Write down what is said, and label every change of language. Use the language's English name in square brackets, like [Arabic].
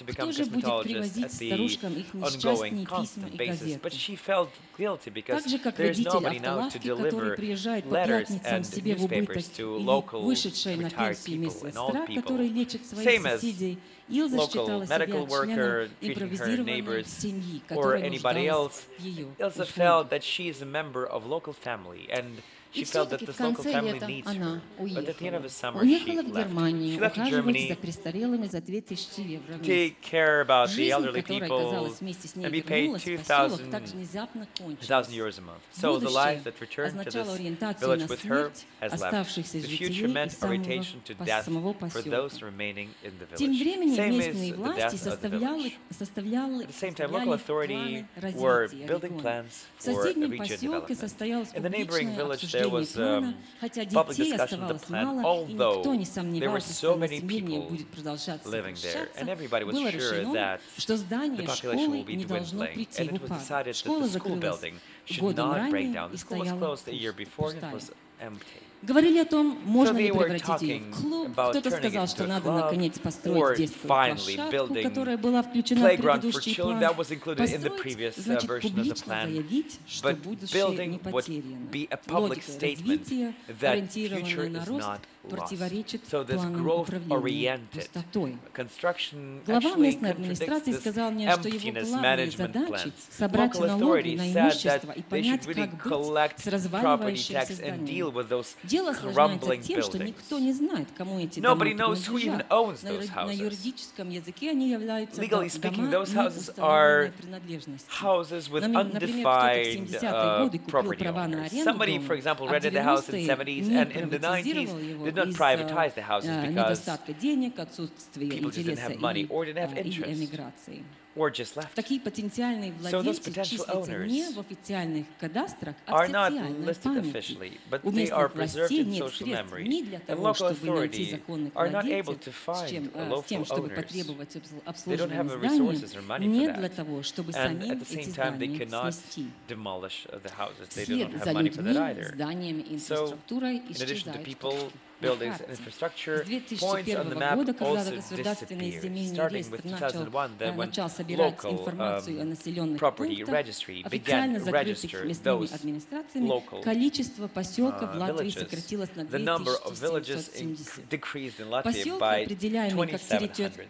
[Russian] Кто же будет привозить старушкам их несчастные письма и газеты? Так же, как водитель автолавки, который приезжает по пятницам себе в убыток, или вышедшая на пенсию медсестра, которая лечит своих соседей, Илза считала себя членом импровизированной семьи, которая нуждалась в ее услугах. [English] Илза felt that she is a member of local family, and she felt that this local family needs her. But at the end of the summer, she left. She left Germany to take care about the elderly people and be paid 2,000 euros a month. So the life that returned to this village with her has left. The future meant orientation to death for those remaining in the village. Same as the death of the village. At the same time, local authorities were building plans for a region development. In the neighboring village, there was a public discussion of the plan, although there were so many people living there, and everybody was sure that the population will be dwindling. And it was decided that the school building should not break down. The school was closed a year before, and it was empty. [Russian] Говорили о том, можно ли превратить ее в клуб. Кто-то сказал, что надо наконец построить детскую площадку, которая была включена в предыдущий план. Построить, значит, публично заявить, что будущее не потеряно. Логика развития, ориентированная на рост, противоречит планам управления пустотой. Глава местной администрации сказал мне, что его главная задача — собрать налоги на имущество и понять, как быть с разваливающимся зданием. Дело сложное тем, что никто не знает, кому эти дома принадлежат. На юридическом языке они являются домами неустановленной принадлежности. Например, кто-то в 70-е годы купил права на аренду, а 90-е не приватизировал его. [English] Not privatize the houses because [Russian] денег, [English] people just didn't have money or didn't have interest. Or just left. [Russian] Такие потенциальные владельцы числятся не в официальных кадастрах, а в социальной памяти. У местных властей нет средств ни для того, чтобы найти законных владельцев, с тем, чтобы потребовать обслуживание здания, нет для того, чтобы самим эти здания снести. Вслед за людьми, зданиями, инфраструктурой исчезают точки. [English] Buildings and infrastructure. Points on the map also disappear. Starting with 2001, then when local property registry began to register those local villages, the number of villages decreased in Latvia by 2,700.